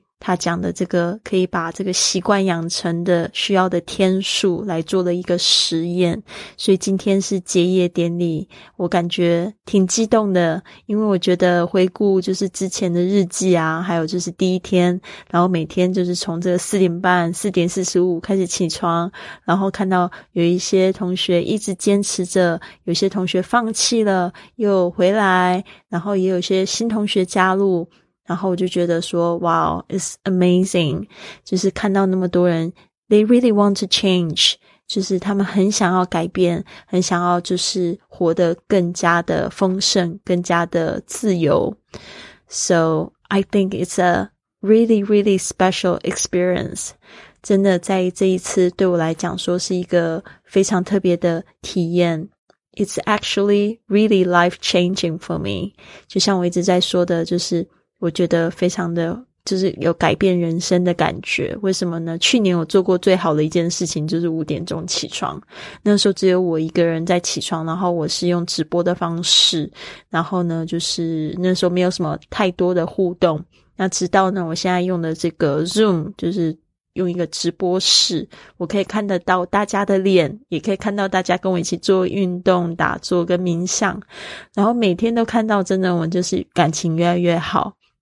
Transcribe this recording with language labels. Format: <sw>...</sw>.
<zh>他讲的这个可以把这个习惯养成的需要的天数来做了一个实验，所以今天是结业典礼，我感觉挺激动的，因为我觉得回顾就是之前的日记啊，还有就是第一天，然后每天就是从这个4:30、4:45开始起床，然后看到有一些同学一直坚持着，有些同学放弃了又回来，然后也有些新同学加入，然后我就觉得说</zh> <en>Wow, it's amazing.</en> <zh>就是看到那么多人</zh> <en>They really want to change.</en> <zh>就是他们很想要改变，很想要就是活得更加的丰盛，更加的自由。</zh> <en>So I think it's a really really special experience.</en> <zh>真的在这一次对我来讲说是一个非常特别的体验。</zh> <en>It's actually really life changing for me.</en> <zh>就像我一直在说的，就是我觉得非常的就是有改变人生的感觉。为什么呢？去年我做过最好的一件事情就是5点起床，那时候只有我一个人在起床，然后我是用直播的方式，然后呢就是那时候没有什么太多的互动，那直到呢我现在用的这个 Zoom 就是用一个直播室，我可以看得到大家的脸，也可以看到大家跟我一起做运动、打坐跟冥想，然后每天都看到，真的我们就是感情越来越好。</zh>